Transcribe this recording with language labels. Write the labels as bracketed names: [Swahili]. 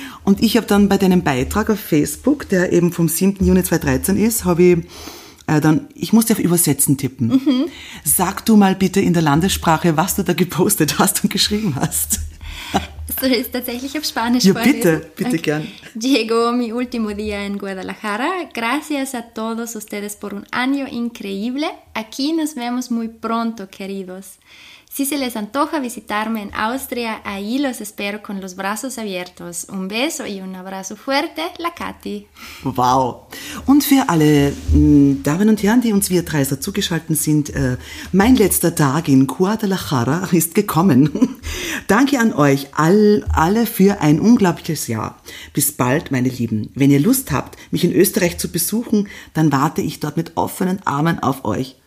[German] Und ich habe dann bei deinem Beitrag auf Facebook, der eben vom 7. Juni 2013 ist, habe ich dann, ich musste auf Übersetzen tippen. Sag du mal bitte in der Landessprache, was du da gepostet hast und geschrieben hast. Soll ich es tatsächlich auf Spanisch vorlesen? Ja, bitte, bitte gern. [Spanish] Llegó mi último día en Guadalajara. Gracias a todos ustedes por un año increíble. Aquí nos vemos muy pronto, queridos. Si se les antoja visitarme en Austria, ahí los espero con los brazos abiertos. Un beso y un abrazo fuerte, la Kati. [German] Wow. Und für alle Damen und Herren, die uns via Dreiser zugeschaltet sind, mein letzter Tag in Guadalajara ist gekommen. Danke an euch alle für ein unglaubliches Jahr. Bis bald, meine Lieben. Wenn ihr Lust habt, mich in Österreich zu besuchen, dann warte ich dort mit offenen Armen auf euch.